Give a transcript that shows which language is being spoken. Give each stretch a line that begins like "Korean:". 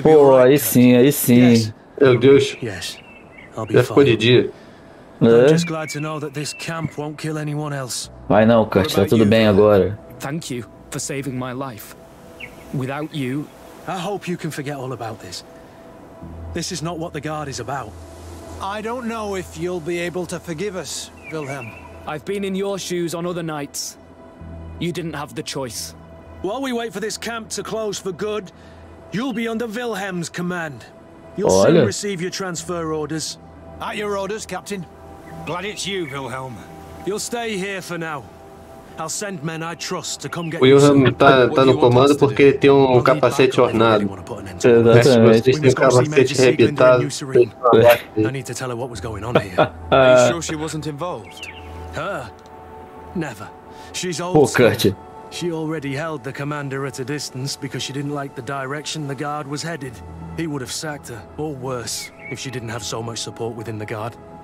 Portuguese: Pô, aí sim, aí sim. Meu Deus. Já ficou de dia. É? Vai não, Kurt, tá tudo bem agora. Obrigado por salvar minha vida. Sem você, espero que você possa esquecer tudo sobre isso.
English: This is not what the guard is about. I don't know if you'll be able to forgive us, Wilhelm. I've been in your shoes on other nights. You didn't have the choice. While we wait for this camp to close for good, you'll be under Wilhelm's command. You'll soon receive your transfer orders. At your orders, Captain. Glad it's you, Wilhelm. You'll stay here for now. I'll send men I trust to come get you.
Portuguese: Wilhelm tá no comando porque ele tem um capacete ornado. Exatamente. Tem um capacete rebitado.
English: No need to tell her what was going on here. Are you sure she wasn't involved? Her? Never. She's old.
Portuguese: Pô, Kurt.
English: She already held the commander at a distance because she didn't like the direction the guard was headed. He would have sacked her, or worse, if she didn't have so much support within the guard.